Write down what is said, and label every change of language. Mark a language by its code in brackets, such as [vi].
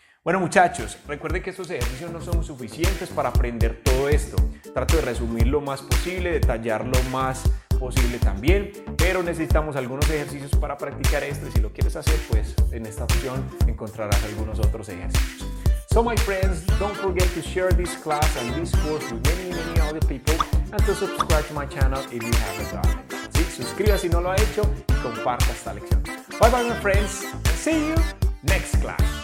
[es] Bueno, muchachos, recuerden que estos ejercicios no son suficientes para aprender todo esto. Trato de resumir lo más posible, detallar lo más posible también, pero necesitamos algunos ejercicios para practicar esto. Y si lo quieres hacer, pues en esta opción encontrarás algunos otros ejercicios. [en] So, my friends, don't forget to share this class and this course with many, many other people and to subscribe to my channel if you haven't done it. [es] Sí, suscríbase si no lo ha hecho y comparta esta lección. [en] Bye, bye, my friends. See you next class.